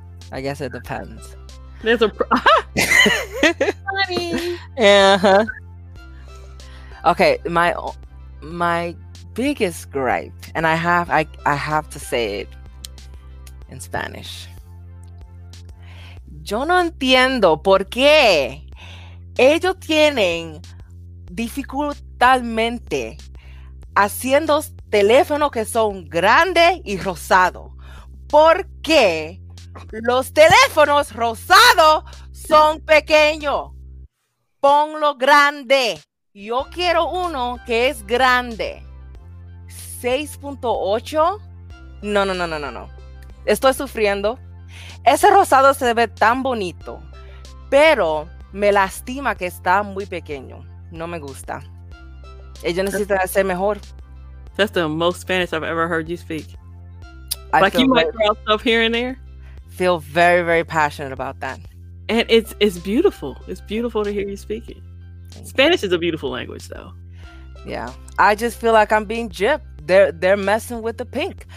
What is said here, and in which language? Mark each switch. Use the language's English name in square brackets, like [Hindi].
[English] I guess it depends. There's a funny. Yeah. Okay, my biggest gripe, and I have to say it in Spanish. [Spanish] Yo no entiendo por qué ellos tienen dificultadmente haciendo teléfonos que son grandes y rosados. ¿Por qué los teléfonos rosados son pequeños? Ponlo grande. Yo quiero uno que es grande. 6.8. No. Estoy sufriendo. Ese rosado se ve tan bonito, pero me lastima que está muy pequeño. No me gusta. Ella necesita ser mejor. [English] That's the most Spanish I've ever heard you speak. Like you might throw stuff here and there. Feel very, very passionate about that. And it's beautiful. It's beautiful to hear you speak it. Spanish is a beautiful language, though. Yeah. I just feel like I'm being gypped. They're messing with the pink.